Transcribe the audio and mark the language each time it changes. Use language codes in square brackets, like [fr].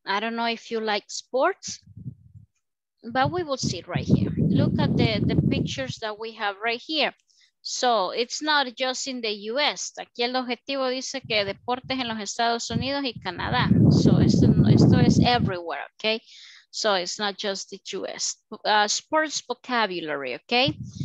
[en] I don't know if you like sports, but we will see right here. Look at the pictures that we have right here. So, it's not just in the US. [es] Aquí el objetivo dice que deportes en los Estados Unidos y Canadá. So, esto es everywhere, okay? [en] So it's not just the two sports vocabulary, okay?